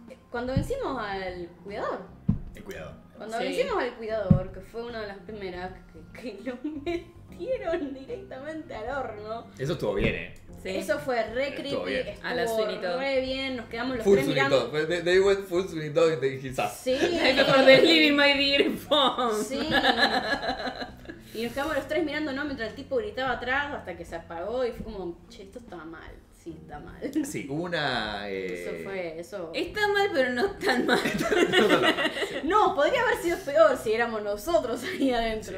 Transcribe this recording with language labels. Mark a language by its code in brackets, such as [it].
[es] Cuando vencimos al cuidador. El cuidador. Cuando vencimos al cuidador, que fue una de las primeras que lo metieron directamente al horno. Eso estuvo bien, ¿eh? Sí. Eso fue re creepy, estuvo re bien, nos quedamos los tres mirando. [en] Full Sweeney Todd, they went full Sweeney Todd [es] y te dijiste, sí. They're living my dear phone. Sí. Y nos quedamos los tres mirando, ¿no? Mientras el tipo gritaba atrás hasta que se apagó y fue como, che, esto está mal. Sí, está mal. Sí, una. Eso fue, eso. Está mal, pero no tan mal. No, podría haber sido peor si éramos nosotros ahí adentro.